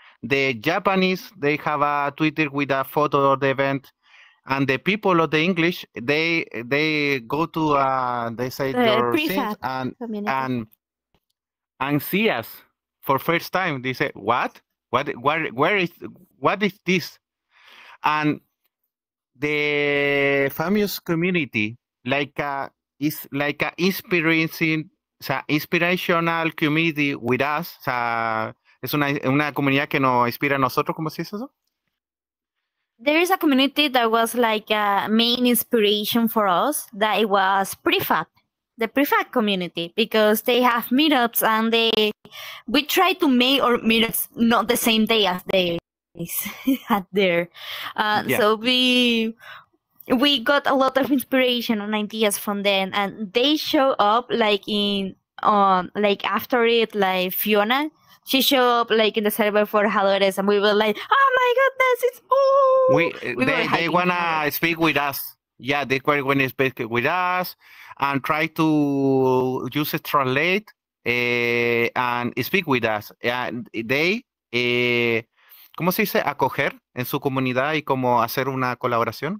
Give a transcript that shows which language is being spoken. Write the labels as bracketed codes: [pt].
[en] The Japanese, they have a Twitter with a photo of the event, and the people of the English, they go to they say your things and see us for first time. They say what is this, and the famous community. Like it's like a inspirational community with us. [es] O sea, es una comunidad que nos inspira a nosotros. ¿Cómo se dice eso? [en] There is a community that was like a main inspiration for us. That it was Prefab, the Prefab community, because they have meetups and we try to make our meetups not the same day as they had there. Yeah. So we got a lot of inspiration and ideas from them, and they show up like after it, like Fiona, she showed up like in the server for Forjadores, and we were like, oh my my goodness, it's they wanna speak with us. Yeah, they quite wanna speak with us and try to use a translate and speak with us. And they [es] ¿cómo se dice? Acoger en su comunidad y como hacer una colaboración.